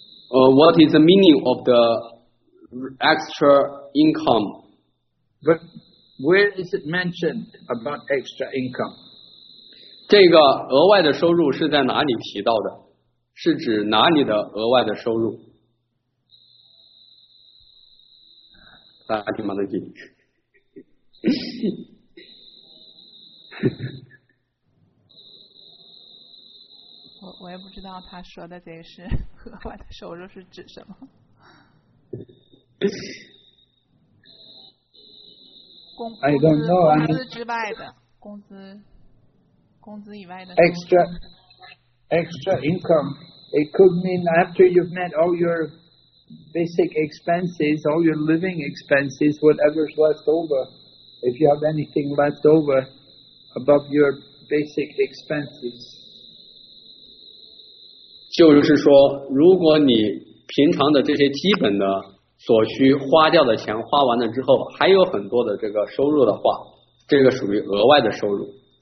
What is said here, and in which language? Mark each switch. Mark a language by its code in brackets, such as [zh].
[en] What is the meaning of the extra income? But. Where is it mentioned about extra income? [zh] 这个额外的收入是在哪里提到的？是指哪里的额外的收入？大家听吗？大家听。我也不知道他说的这是和我的收入是指什么。工资之外的 [en] extra income. It could mean after you've met all your basic expenses, all your living expenses, whatever's left over, if you have anything left over above your basic expenses. [zh] 就是说，如果你平常的这些基本的所需花掉的钱花完了之后，还有很多的这个收入的话，这个属于额外的收入。